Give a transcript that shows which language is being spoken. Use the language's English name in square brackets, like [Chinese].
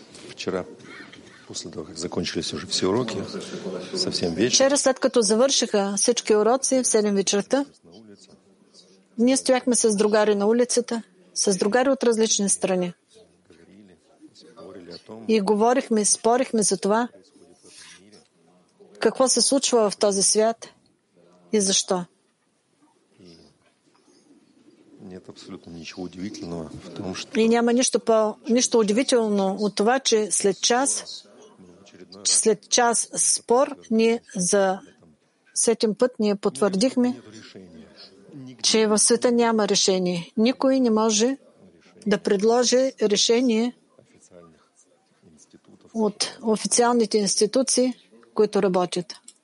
[Russian] Вчера, после того, как закончились уже все уроки, совсем вечер. [Bulgarian] Вчера, след като завършиха всички уроки в 7 вечерта, ние стояхме с другари на улицата, с другари от различни страни. И говорихме, спорихме за това, какво се случва в този свят и защо. [Russian] Нет абсолютно ничего удивительного в том, что... [Bulgarian] И няма нищо, нищо удивително от това, че след час, спор, ние за сетим път ние потвърдихме, че в света няма решение. Никой не може да предложи решение от официалните институции, които работят.